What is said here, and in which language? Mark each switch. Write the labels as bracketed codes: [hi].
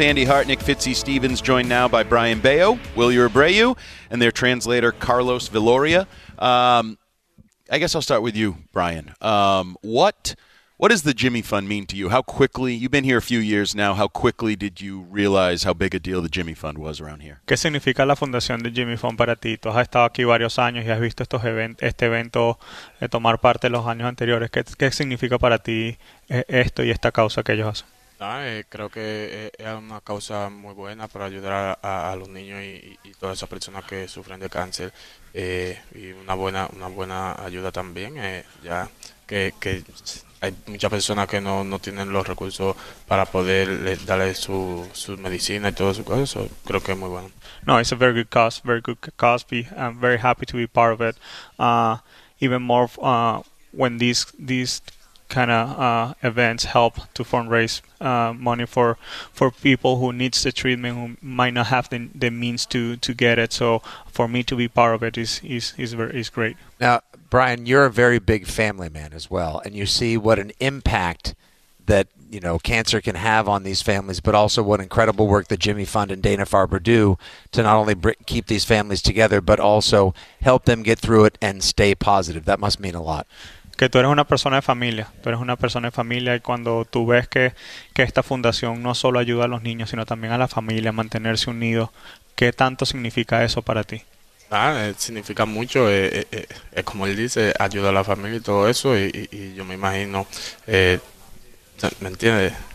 [en] Andy Hart, Nick Fitzy Stevens joined now by Brian Bayo, Willier Abreu, and their translator Carlos Viloria. I guess I'll start with you, Brian. What does the Jimmy Fund mean to you? How quickly, you've been here a few years now, how quickly did you realize how big a deal the Jimmy Fund was around here? [es] ¿Qué significa la fundación de Jimmy Fund para ti? Tú has estado aquí varios años y has visto estos este evento tomar parte los años anteriores. ¿Qué significa para ti esto y esta causa que ellos hacen? Creo que es una causa muy buena para ayudar a los niños y todas esas personas que sufren de cáncer. Y una buena ayuda también, ya que hay muchas personas que no tienen los recursos para poder darle su medicina y todo su cosa, so creo que es muy bueno. [en] No, it's a very good cause. I'm very happy to be part of it. Even more when these kind of events help to fundraise money for people who needs the treatment who might not have the means to get it. So for me to be part of it is great. Now, Brian, you're a very big family man as well, and you see what an impact that, you know, cancer can have on these families, but also what incredible work that Jimmy Fund and Dana-Farber do to not only keep these families together, but also help them get through it and stay positive. That must mean a lot. [es] Que tú eres una persona de familia. Tú eres una persona de familia y cuando tú ves que esta fundación no solo ayuda a los niños, sino también a la familia a mantenerse unido, ¿qué tanto significa eso para ti? Significa mucho, es como él dice, ayuda a la familia y todo eso, y yo me imagino, ¿me entiendes?